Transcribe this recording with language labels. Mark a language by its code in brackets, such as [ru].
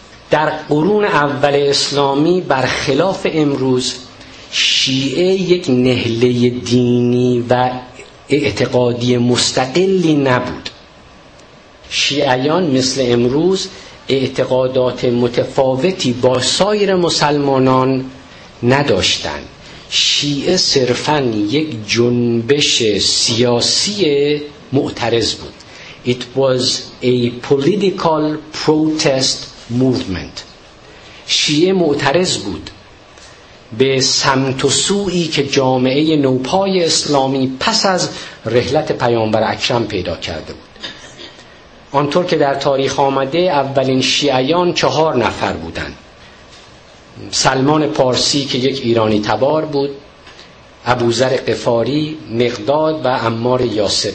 [fa] در قرون اول اسلامی برخلاف امروز، شیعه یک نهله دینی و اعتقادی مستقلی نبود. شیعیان مثل امروز اعتقادات متفاوتی با سایر مسلمانان نداشتند. شیعه صرفاً یک جنبش سیاسی معترض بود. [en] It was a political protest movement. [fa] شیعه معترض بود به سمت و سویی که جامعه نوپای اسلامی پس از رحلت پیامبر اکرم پیدا کرده بود. آنطور که در تاریخ آمده، اولین شیعیان 4 نفر بودند: سلمان پارسی که یک ایرانی تبار بود، ابوذر غفاری، مقداد و عمار یاسر.